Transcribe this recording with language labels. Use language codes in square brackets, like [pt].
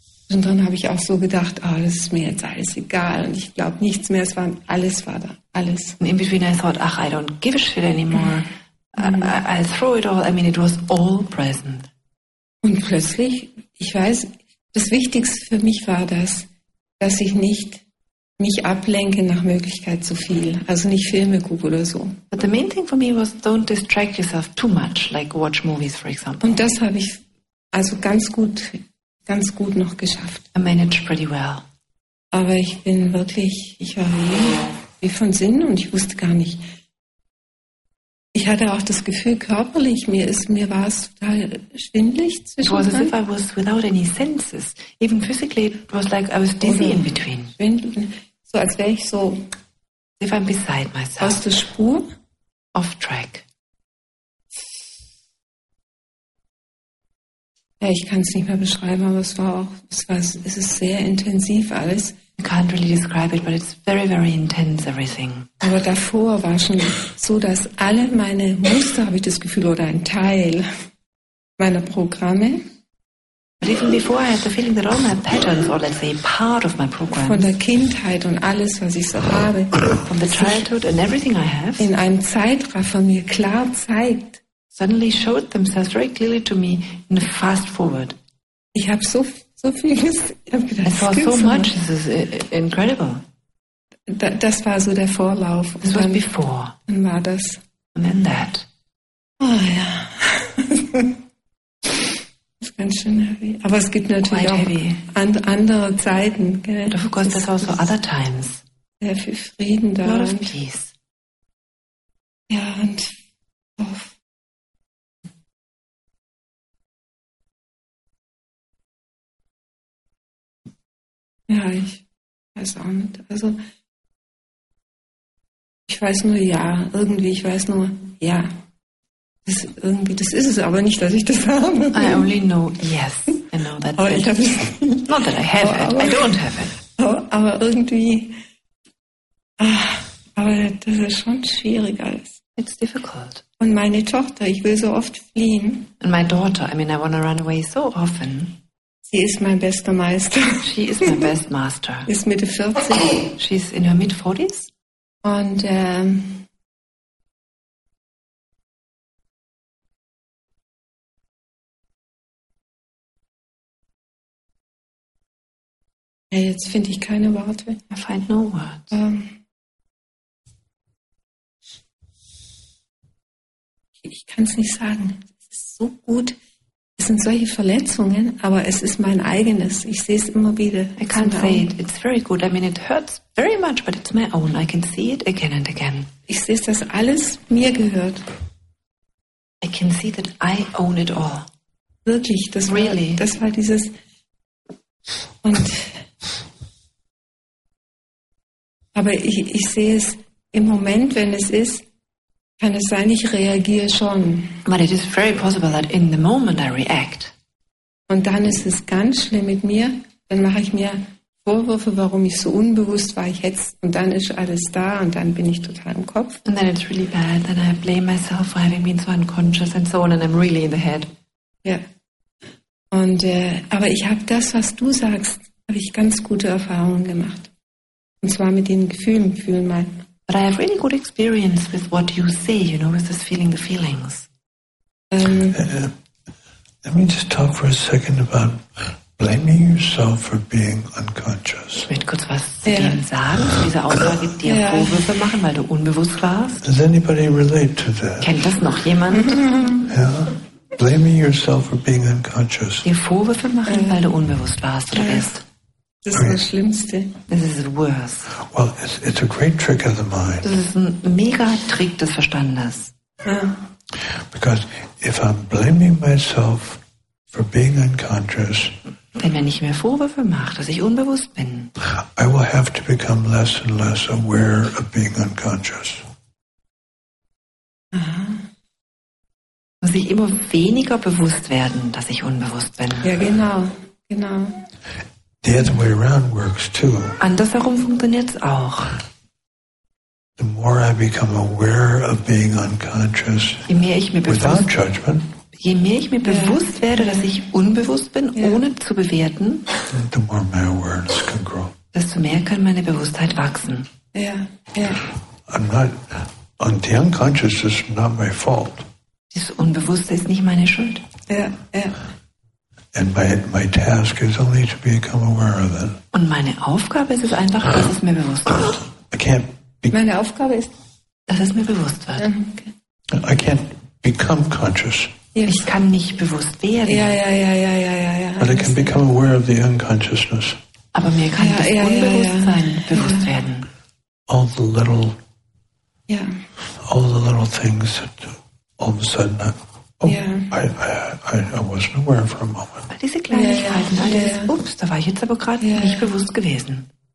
[de] Und dann habe ich auch so gedacht, oh, das ist mir jetzt alles egal und ich glaube nichts mehr. Alles war da. [en] And in between I thought, ach, I don't give a shit anymore. I'll throw it all. I mean, it was all present. [de] Und plötzlich, ich weiß, das Wichtigste für mich war das, dass ich nicht mich ablenke nach Möglichkeit zu viel. Also nicht Filme gucke oder so. [en] But the main thing for me was don't distract yourself too much, like watch movies, for example. [de] Und das habe ich also ganz gut noch geschafft. [en] I managed pretty well. [de] Aber ich bin wirklich, ich war wie von Sinn und ich wusste gar nicht. Ich hatte auch das Gefühl körperlich, mir war es total schwindelig zwischendurch. [en] It was as if I was without any senses. Even physically, it was like I was dizzy in between. [de] Schwindeln. So als wäre ich so, [en] as if I'm beside myself. [de] Aus der Spur. [en] Off track. [de] Ja, ich kann es nicht mehr beschreiben, aber es ist sehr intensiv alles. [en] I can't really describe it, but it's very, very intense, everything. [de] Aber davor war schon so, dass alle meine Muster, habe ich das Gefühl, oder ein Teil meiner Programme. [en] But even before I had the feeling that all my patterns, or let's say part of my programs, [de] von der Kindheit und alles, was ich so habe, [en] from the childhood and everything I have, [de] in einem Zeitraffer mir klar zeigt, [en] suddenly showed themselves very clearly to me in a fast forward. [de] Ich habe so vieles, ich habe gedacht, [en] I saw so much, this is incredible. [de] Das war so der Vorlauf. [en] This was before. [de] Dann war das. [en] And then that. [de] Oh ja. Das ist ganz schön heavy. Aber es gibt natürlich auch andere Zeiten. Gell? [en] But of course, there's also other times. [de] Sehr viel Frieden da. [en] A lot of peace. [de] Ja, und ja, ich weiß auch nicht. Also, ich weiß nur ja. Irgendwie, ich weiß nur ja. Das ist es aber nicht, dass ich das habe. [en] I only know yes. I know that's [de] aber [en] it. [de] Ich hab's. [en] Not that I have it. I don't have it. [de] Aber irgendwie. Aber das ist schon schwierig alles. [en] It's difficult. [de] Und meine Tochter, ich will so oft fliehen. [en] And my daughter, I mean, I want to run away so often. [de] Sie ist mein bester Meister. [en] She is my best master. [de] Ist Mitte 40. [en] She's in her mid-40s. [de] Und jetzt finde ich keine Worte. [en] I find no words. [de] Ich kann es nicht sagen. Es ist so gut. Es sind solche Verletzungen, aber es ist mein eigenes. Ich sehe es immer wieder. [en] I can't say it. It's very good. I mean, it hurts very much, but it's my own. I can see it again and again. [de] Ich sehe, dass alles mir gehört. [en] I can see that I own it all. [de] Wirklich, das war, [en] really. [de] Das war dieses. Und aber ich sehe es im Moment, wenn es ist. Kann es sein, ich reagiere schon. [en] But it is very possible that in the moment I react. [de] Und dann ist es ganz schlimm mit mir. Dann mache ich mir Vorwürfe, warum ich so unbewusst war. Ich hätte es, und dann ist alles da und dann bin ich total im Kopf. [en] And then it's really bad. Then I blame myself for having been so unconscious and so on and I'm really in the head. [de] Ja. Und aber ich habe das, was du sagst, habe ich ganz gute Erfahrungen gemacht. Und zwar mit den Gefühlen. Fühlen mal. [en] But I have really good experience with what you say, you know, with this feeling, the feelings. Let me just talk for a second about blaming yourself for being unconscious. [de] Ich möchte kurz was zu dem sagen, zu dieser Aussage, dir Vorwürfe machen, weil du unbewusst warst. [en] Does anybody relate to that? [de] Kennt das noch jemand? [en] Yeah? Blaming yourself for being unconscious. [de] Dir Vorwürfe machen, weil du unbewusst warst oder bist. Das ist das Schlimmste. [en] This is the worst. Well, it's a great trick of the mind. [de] Das ist ein mega Trick des Verstandes. Ja. [en] Because if I'm blaming myself for being unconscious, [de] wenn wenn ich mir Vorwürfe mache, dass ich unbewusst bin, [en] I will have to become less and less aware of being unconscious. [de] Aha. Muss ich immer weniger bewusst werden, dass ich unbewusst bin. Ja, genau, genau. [en] The other way around works too. [de] Andersherum funktioniert's auch. [en] The more I become aware of being unconscious, [de] je mehr ich mir [en] without judgment, [de] je mehr ich mir bewusst werde, dass ich unbewusst bin, ohne zu bewerten, [en] the more my awareness can grow. [de] Desto mehr kann meine Bewusstheit wachsen. [en] Yeah. I'm not, and the unconscious is not my fault. [de] Das Unbewusste ist nicht meine Schuld. [en] And my task is only to become aware of it. [de] Und meine Aufgabe ist es einfach, dass es mir bewusst wird. Meine Aufgabe ist, dass es mir bewusst wird. [en] I can't become conscious. [de] Yes. Ich kann nicht bewusst werden. Ja. [en] But I can become aware of the unconsciousness. [de] Aber mir kann bewusst werden. [en] All the little things that all of a sudden. I wasn't aware for a moment. [de] All diese Kleinigkeiten, ups, da war ich jetzt aber gerade nicht bewusst gewesen.